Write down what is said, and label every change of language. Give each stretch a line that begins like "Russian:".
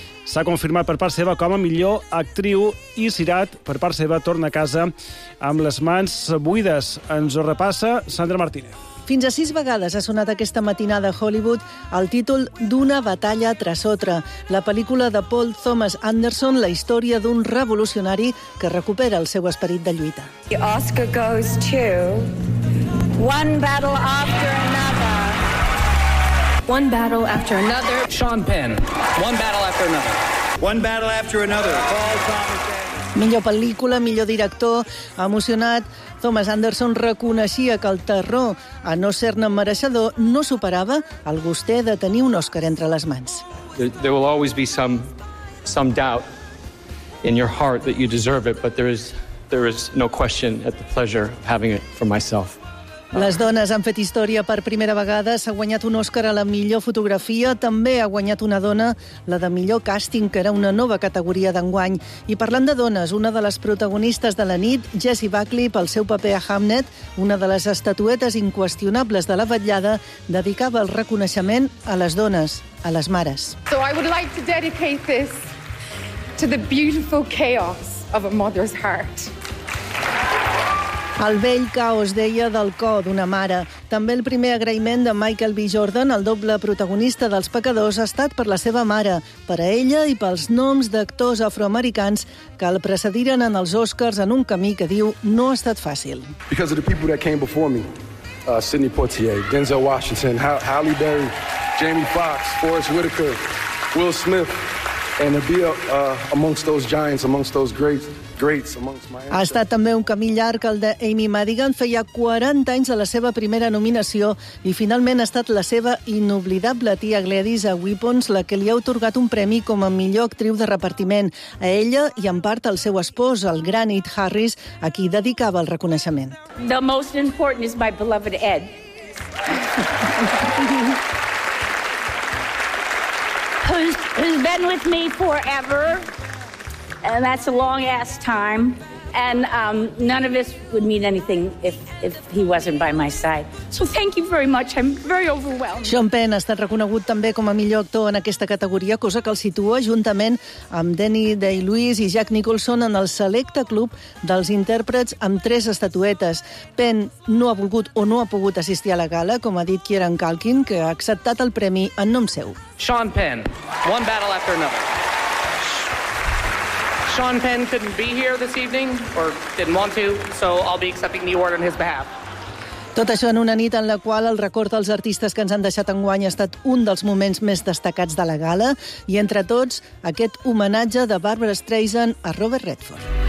Catalan: S'ha confirmat per part seva com a millor actriu i Sirat, per part seva, torna a casa amb les mans buides. Ens ho repassa Sandra Martínez. Fins a 6 vegades ha sonat aquesta matinada a Hollywood el títol d'Una batalla tras otra, la pel·lícula de Paul Thomas Anderson, la història d'un revolucionari que recupera el seu esperit de lluita.
English: The Oscar goes to One Battle After Another. One battle after another. Sean Penn. One battle after another. One battle after another. Paul Thomas.
Catalan: Millor pel·lícula, millor director, emocionat. Thomas Anderson reconeixia que el terror, a no ser-ne mereixedor, no superava el guster de tenir un Oscar entre les mans.
English: There will always be some doubt in your heart that you deserve it, but there is no question at the pleasure of having it for myself.
Catalan: Les dones han fet història per primera vegada. S'ha guanyat un Òscar a la millor fotografia. També ha guanyat una dona, la de millor càsting, que era una nova categoria d'enguany. I parlant de dones, una de les protagonistes de la nit, Jesse Buckley, pel seu paper a Hamnet, una de les estatuetes inqüestionables de la vetllada, dedicava el reconeixement a les dones, a les mares.
English: So I would like to dedicate this to the beautiful chaos of a mother's heart.
Catalan: El vell caos, deia, del cor d'una mare. També el primer agraïment de Michael B. Jordan, el doble protagonista dels Pecadors, ha estat per la seva mare, per a ella i pels noms d'actors afroamericans que el precediren en els Oscars en un camí que diu no ha estat fàcil.
English: Because of the people that came before me, Sidney Poitier, Denzel Washington, Halle Berry, Jamie Foxx, Forrest Whitaker, Will Smith, and to be amongst those giants, amongst those greats,
Catalan: ha estat també un camí llarg el d'Amy Madigan. Feia 40 anys de la seva primera nominació i finalment ha estat la seva inoblidable tia Gladys a Weapons la que li ha otorgat un premi com a millor actriu de repartiment. A ella i en part al seu espòs, el gran Ed Harris, a qui dedicava el reconeixement.
English: The most important is my beloved Ed. who's been with me forever. And that's a long ass time. And none of this would mean anything if he wasn't by my side. So thank you very much. I'm very overwhelmed.
Catalan: Sean Penn ha estat reconegut també com a millor actor en aquesta categoria, cosa que el situa juntament amb Danny Day-Lewis i Jack Nicholson en el selecte club dels intèrprets amb 3 estatuetes. Penn no ha volgut o no ha pogut assistir a la gala, com ha dit Kieran Culkin, que ha acceptat el premi en nom seu.
English: Sean Penn, one battle after another. Sean Penn couldn't be here this evening, or didn't want to, so I'll be accepting the award on his behalf.
Catalan: Tot això en una nit en la qual el record dels artistes que ens han deixat enguany ha estat un dels moments més destacats de la gala, i entre tots, aquest homenatge de Barbra Streisand a Robert Redford.